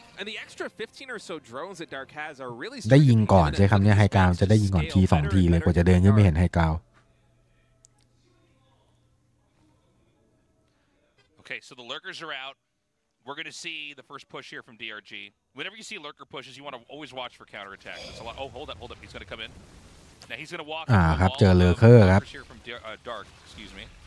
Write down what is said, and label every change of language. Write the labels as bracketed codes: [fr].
[en] And the extra 15 or so drones that Dark has are really strong. [th] ได้ยิงก่อนใช่คำนี้ไฮกราวจะได้ยิงก่อนที2ทีเลยกว่าจะเดินขึ้นไม่เห็นไฮกราว [en] โอเค so the lurkers are out. We're going to see the first push here from DRG. Whenever you see lurker pushes, you want to always watch for counter attacks. It's a lot. Oh, hold up. He's going to come in. Now he's going to walk. [th] ครับเจอเลอร์เคอร์ครับ [en] Dark, excuse me.